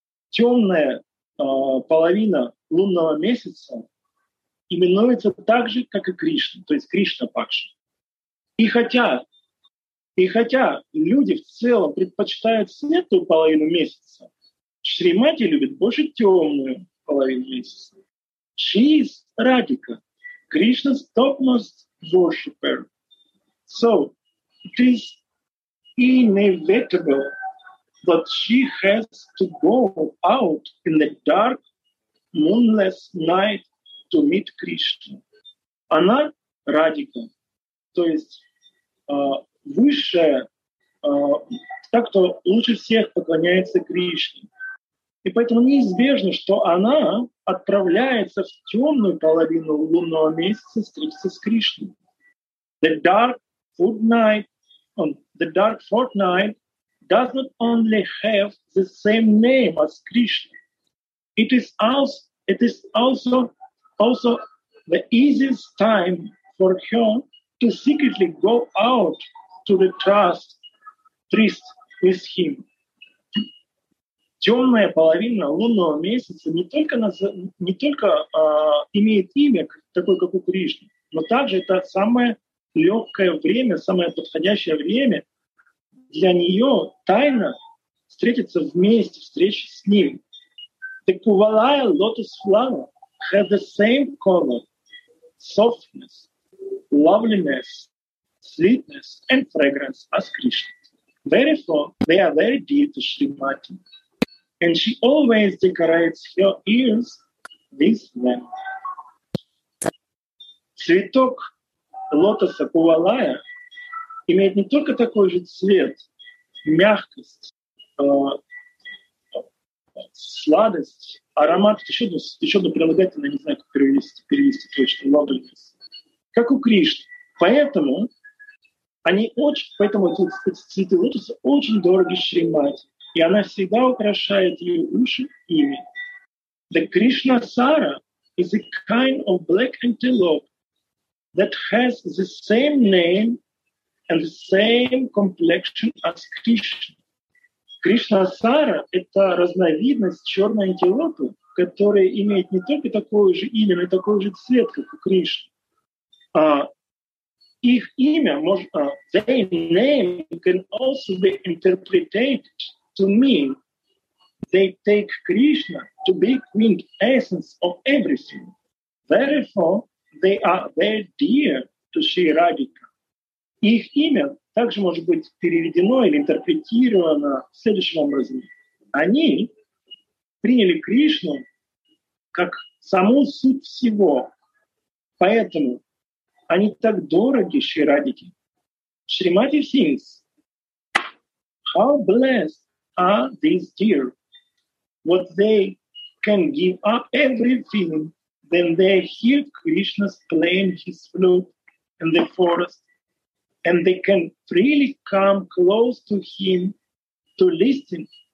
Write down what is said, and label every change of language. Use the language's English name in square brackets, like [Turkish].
[Russian] Темная половина лунного месяца именуется так же, как и Кришна, то есть Кришна Пакша. И хотя люди в целом предпочитают светлую половину месяца, Шримати любит больше темную половину месяца. [English] She is Radhika, Krishna's topmost worshipper. So it is inevitable that she has to go out in the dark, moonless night to meet Krishna. [Russian] Она Радика, то есть высшая, та, кто лучше всех поклоняется Кришне. И поэтому неизбежно, что она отправляется в темную половину лунного месяца встретиться с Кришной. [English] The dark fortnight does not only have the same name as Krishna. It is also the easiest time for her to secretly go out to the tryst with him. [Russian] Темная половина лунного месяца не только имеет имя, такое как у Кришны, но также это самое легкое время, самое подходящее время для нее тайно встретиться вместе, встречи с ним. [English] The Kuvalaya lotus flower has the same color, softness, loveliness, sweetness, and fragrance as Krishna. Therefore, they are very dear to Srimati. And she always decorates her ears with them. [Russian] Цветок лотоса Кувалая имеет не только такой же цвет, мягкость, сладость, аромат, еще одно прилагательное, не знаю, как перевести точно, [English] loveliness, [Russian] как у Кришны. Поэтому эти цветы лотоса очень дороги Шримати, и она всегда украшает ее уши ими. [English] The Krishna Sara is a kind of black antelope that has the same name and the same complexion as Krishna. [Russian] Krishna Sara — это разновидность черной антилопы, которая имеет не только такое же имя, но и такой же цвет, как у Кришны. Их имя, [English] their name can also be interpreted to mean they take Krishna to be queen essence of everything. Therefore, they are very dear to Sri Radhika. [Russian] Их имя также может быть переведено или интерпретировано следующим образом. Они приняли Кришну как саму суть всего. Поэтому они так дороги Шри Радхике. [English] Шримати thinks, how blessed are these dear, what they can give up everything when they hear Krishna playing his flute in the forest, and they can freely come close to him to listen